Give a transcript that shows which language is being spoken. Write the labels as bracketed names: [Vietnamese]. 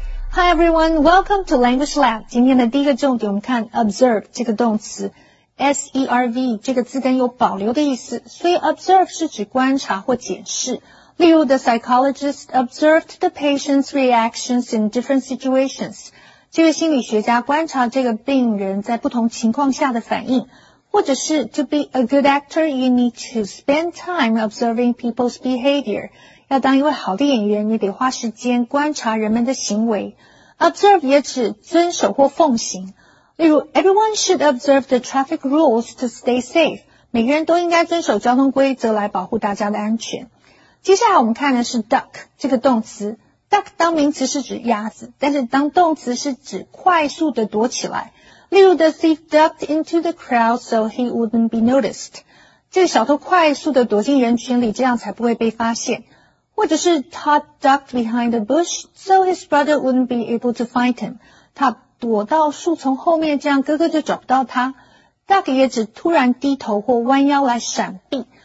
[English] Hi everyone, welcome to Language Lab. [Chinese] 今天的第一个重点我们看 observe 这个动词 ,serv 这个字根有保留的意思，所以 observe 是指观察或检视。例如 [English] ,the psychologist observed the patient's reactions in different situations. [Chinese] 这个心理学家观察这个病人在不同情况下的反应。或者是 [English] ,to be a good actor, you need to spend time observing people's behavior. [Chinese] 要当一位好的演员你得花时间观察人们的行为。 Observe 也指遵守或奉行。例如 [English] ,everyone should observe the traffic rules to stay safe. [Chinese] 每个人都应该遵守交通规则来保护大家的安全。接下来我们看的是 duck 这个动词。duck 当名词是指鸭子，但是当动词是指快速的躲起来。例如 [English] ,the thief ducked into the crowd so he wouldn't be noticed. [Chinese] 这个小偷快速的躲进人群里，这样才不会被发现。或者是 [English] Todd ducked behind a bush so his brother wouldn't be able to find him. [Chinese] 他躲到树丛后面，这样哥哥就找不到他。 duck 也指突然低头或弯腰来闪避。